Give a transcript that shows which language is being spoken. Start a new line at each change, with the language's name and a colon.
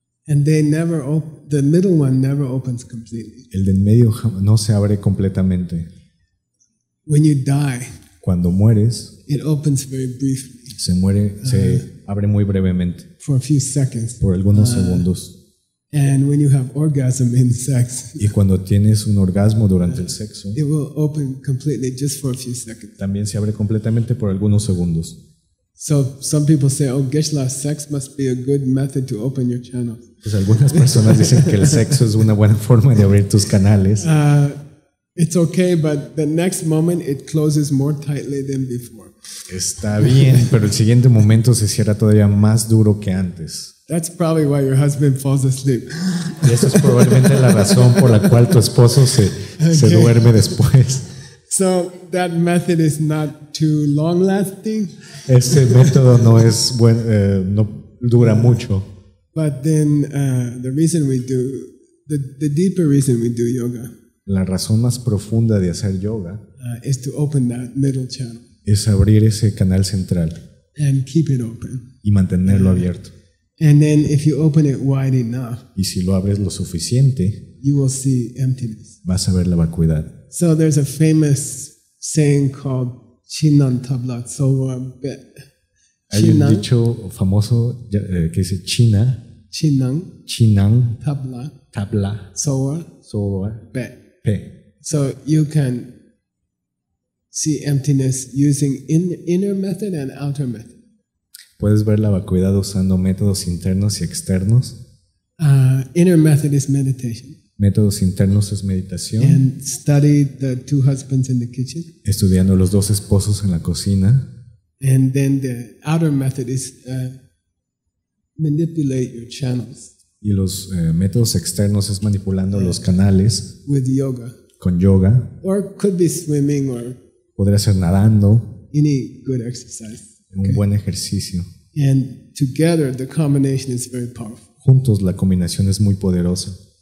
English: And they never the middle one never opens completely.
Spanish: El de en medio no se abre completamente.
English: When you die,
Spanish: cuando mueres,
English: it opens very briefly.
Spanish: Se abre muy brevemente.
English: For a few seconds.
Spanish: Por algunos segundos.
English: And when you have orgasm in sex,
Spanish: y cuando tienes un orgasmo durante el sexo,
English: it will open completely just for a few seconds.
Spanish: También se abre completamente por algunos segundos.
English: So some people say, "Oh, Geshe-la, sex must be a good method to open your channels."
Spanish: Pues algunas personas dicen que el sexo es una buena forma de abrir tus canales.
English: It's okay, but the next moment it closes more tightly than before.
Spanish: Está bien, pero el siguiente momento se cierra todavía más duro que antes.
English: That's probably why your husband falls asleep.
Spanish: Y eso es probablemente la razón por la cual tu esposo se duerme después.
English: So that method is not too long lasting.
Spanish: Ese método no es bueno, no dura mucho.
English: But then the deeper reason we do yoga.
Spanish: La razón más profunda de hacer yoga
English: is to open that middle channel.
Spanish: Es abrir ese canal central.
English: And keep it open.
Spanish: Y mantenerlo abierto.
English: And then if you open it wide enough,
Spanish: y si lo abres lo suficiente,
English: you will see emptiness.
Spanish: Vas a ver la vacuidad.
English: So there's a famous saying called Chinnan Tabla Tsowa Bet.
Spanish: Hay un dicho famoso que dice China. Chinnan Tabla. Tabla. Tsowa Bet.
English: So you can see emptiness using inner method and outer method.
Spanish: Puedes ver la vacuidad usando métodos internos y externos.
English: Inner method is meditation.
Spanish: Métodos internos es meditación.
English: And study the two husbands in the kitchen.
Spanish: Estudiando los dos esposos en la cocina.
English: And then the outer method is manipulate your channels.
Spanish: Y los métodos externos es manipulando los canales.
English: With yoga.
Spanish: Con yoga.
English: Or could be swimming or.
Spanish: Podría ser nadando.
English: Any good exercise.
Spanish: Un okay. Buen ejercicio.
English: And together, the combination is very powerful.
Spanish: Juntos la combinación es muy poderosa.